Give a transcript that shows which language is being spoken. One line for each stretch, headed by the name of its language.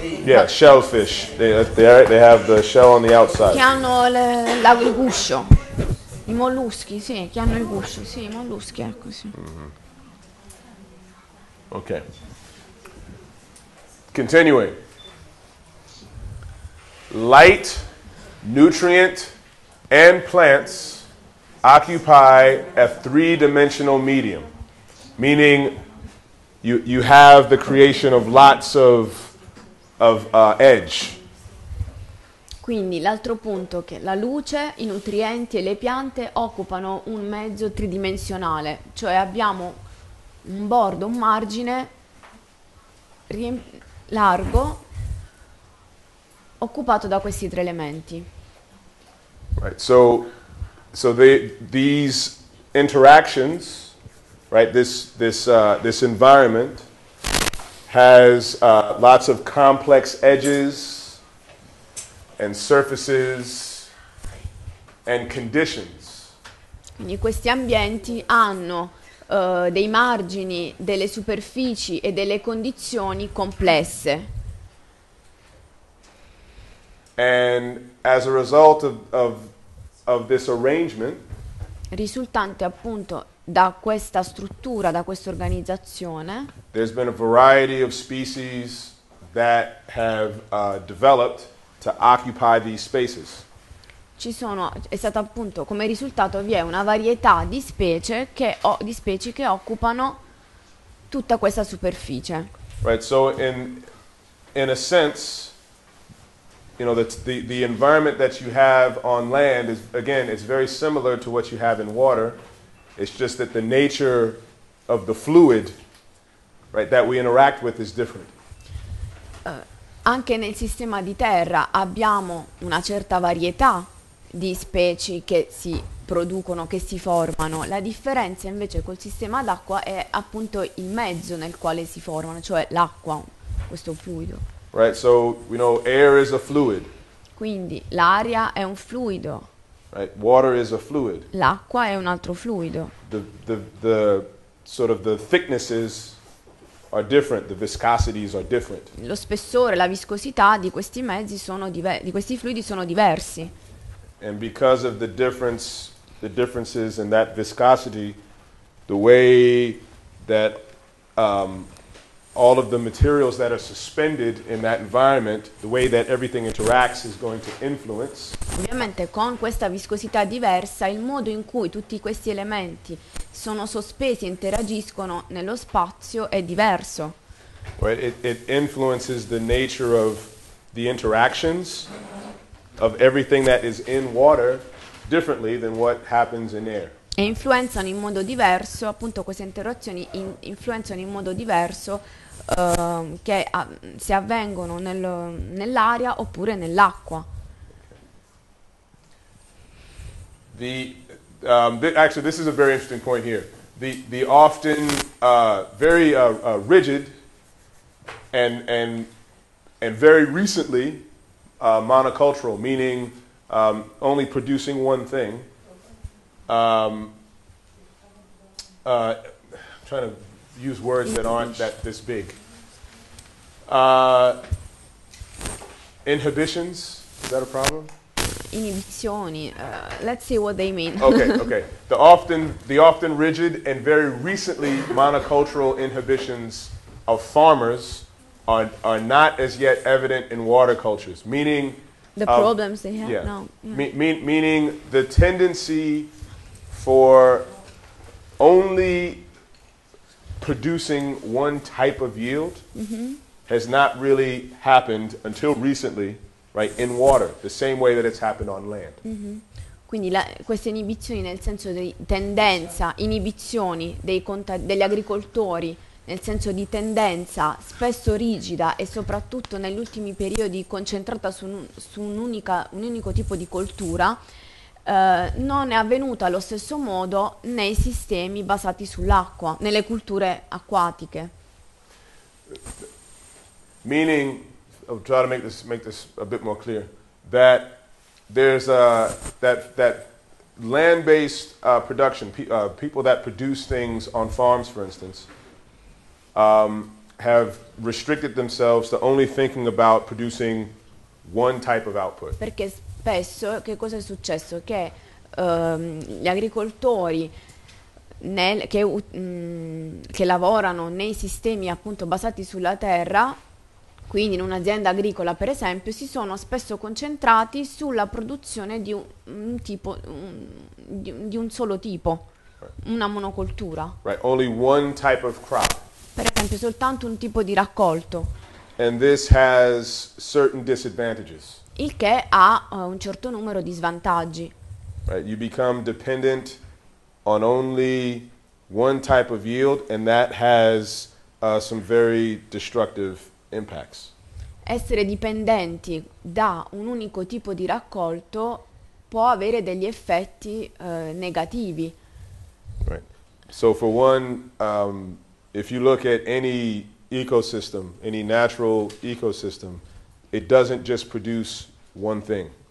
English: yeah, shellfish, they have the shell on the outside,
Italian: che hanno il guscio, i molluschi, sì, che hanno il guscio, sì, i molluschi, ecco, sì. Mm-hmm.
English: Okay. Continuing. Light, nutrient, and plants occupy a three-dimensional medium, meaning you have the creation of lots of edge.
Italian: Quindi l'altro punto che la luce, i nutrienti e le piante occupano un mezzo tridimensionale, cioè abbiamo un bordo, un margine largo occupato da questi tre elementi.
English: Right. So these interactions, right? This environment has lots of complex edges and surfaces and conditions.
Italian: Quindi questi ambienti hanno dei margini, delle superfici e delle condizioni complesse.
English: And as a result of this arrangement,
Italian: risultante appunto da questa struttura, da questa organizzazione,
English: there's been a variety of species that have developed to occupy these spaces.
Italian: È stato appunto, come risultato, vi è una varietà di specie che occupano tutta questa superficie.
English: Right, so in a sense, you know, the environment that you have on land is, again, it's very similar to what you have in water. It's just that the nature of the fluid, right, that we interact with is different.
Italian: Anche nel sistema di terra abbiamo una certa varietà di specie che si producono, che si formano. La differenza invece col sistema d'acqua è appunto il mezzo nel quale si formano, cioè l'acqua, questo fluido.
English: Right, so we know air is a fluid.
Italian: Quindi l'aria è un fluido.
English: Right, water is a fluid.
Italian: L'acqua è un altro fluido.
English: The sort of the thicknesses are different, the viscosities are different.
Italian: Lo spessore, la viscosità di questi mezzi sono di questi fluidi sono diversi.
English: And because of the differences in that viscosity, the way that all of the materials that are suspended in that environment, the way that everything interacts is going to influence.
Italian: Ovviamente con questa viscosità diversa, il modo in cui tutti questi elementi sono sospesi e interagiscono nello spazio è diverso.
English: Right, it influences the nature of the interactions of everything that is in water differently than what happens in air.
Italian: E influenzano in modo diverso, appunto queste interazioni influenzano in modo diverso che se avvengono nell'aria oppure nell'acqua.
English: Actually this is a very interesting point here. The often very rigid and very recently monocultural, meaning only producing one thing. I'm trying to use words that aren't that this big. Inhibitions, is that a problem? Inhibizioni, let's see what they mean. Okay. The often rigid and very recently monocultural inhibitions of farmers are not as yet evident in water cultures, meaning the problems they have. Yeah. No. Yeah. Meaning the tendency for only producing one type of yield has not really happened until recently, right, in water, the same way that it's happened on land. Mm-hmm.
Italian: Quindi queste inibizioni nel senso di tendenza, inibizioni degli agricoltori nel senso di tendenza spesso rigida e soprattutto negli ultimi periodi concentrata su un unico tipo di coltura, non è avvenuta allo stesso modo nei sistemi basati sull'acqua, nelle culture acquatiche.
English: Meaning, I'll try to make this a bit more clear, that there's a that land-based production, people that produce things on farms, for instance, have restricted themselves to only thinking about producing one type of output.
Italian: Perché spesso che cosa è successo? Che gli agricoltori che lavorano nei sistemi appunto basati sulla terra, quindi in un'azienda agricola per esempio, si sono spesso concentrati sulla produzione di un solo tipo, una monocoltura.
English: Right, only one type of crop.
Italian: Per esempio, soltanto un tipo di raccolto.
English: And this has certain disadvantages.
Italian: Il che ha un certo numero di svantaggi.
English: Right, you become dependent on only one type of yield, and that has some very destructive impacts.
Italian: Essere dipendenti da un unico tipo di raccolto può avere degli effetti negativi.
English: Right. So for one, if you look at any ecosystem, any natural ecosystem, it doesn't just produce one thing.